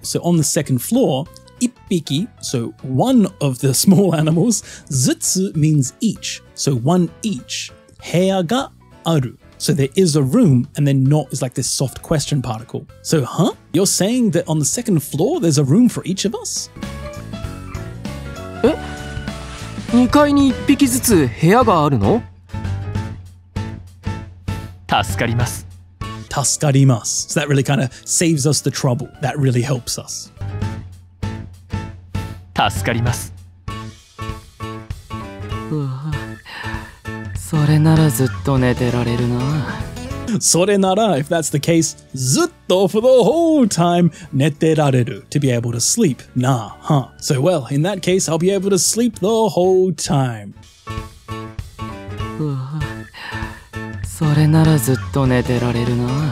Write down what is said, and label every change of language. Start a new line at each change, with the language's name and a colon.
English: So on the second floor, ippiki, so one of the small animals, zutsu means each, so one each,
Japanese: heya ga aru.
English: So there is a room, and then not is like this soft question particle. So, huh? You're saying that on the second floor, there's a room for each of us? Eh?
Japanese: 2階に1匹ずつ部屋があるの? 助かります。助かります。
English: So that really kind of saves us the trouble. That really helps us.
Japanese: 助かります。それならずっと寝てられるな。それなら、
English: if that's the case,
Japanese: ずっと
English: for the whole time,
Japanese: 寝てられる,
English: to be able to sleep, nah, huh? So well, in that case, I'll be able to sleep the whole time.
Japanese: それならずっと寝てられるな。